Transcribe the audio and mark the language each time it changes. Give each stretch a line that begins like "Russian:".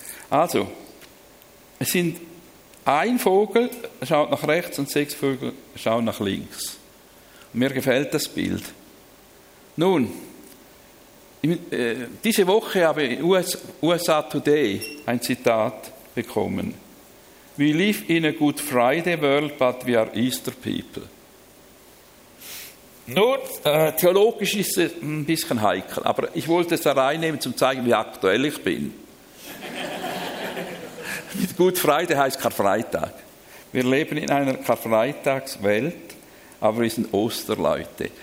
German: Also, es sind ein Vogel schaut nach rechts und 6 Vögel schauen nach links. Und mir gefällt das Bild. Nun, diese Woche habe ich USA Today ein Zitat bekommen.
English: We live in a Good Friday world, but we are Easter people.
German: Nur theologisch ist es ein bisschen heikel, aber ich wollte es da reinnehmen, um zu zeigen, wie aktuell ich bin. Good Friday heißt Karfreitag. Wir leben in einer Karfreitagswelt, aber wir sind Osterleute.